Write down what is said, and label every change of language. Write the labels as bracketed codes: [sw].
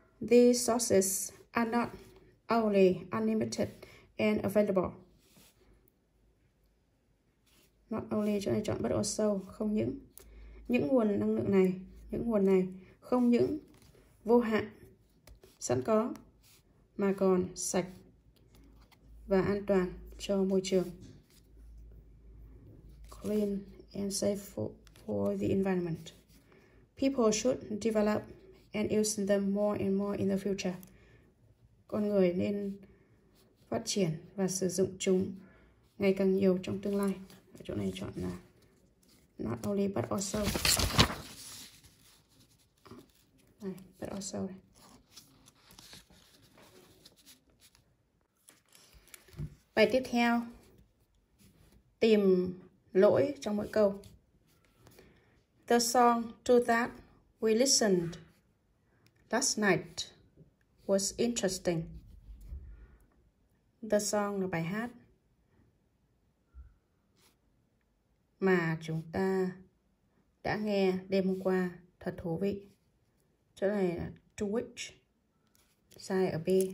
[en] These sources are not only unlimited and available. Not only, [vi] chỗ này chọn [en] but also, [vi] không những. Những nguồn năng lượng này, những nguồn này không những vô hạn, sẵn có, mà còn sạch và an toàn cho môi trường. [en] Clean and safe for the environment. People should develop and use them more and more in the future. [vi] Con người nên phát triển và sử dụng chúng ngày càng nhiều trong tương lai. Ở chỗ này chọn là [en] not only but also. [vi] Này, [en] but also. [vi] Bài tiếp theo, tìm lỗi trong mỗi câu. [en] The song to that we listened last night was interesting. [vi] The song là bài hát mà chúng ta đã nghe đêm hôm qua thật thú vị. Chỗ này là [en] to which, [vi] sai ở B.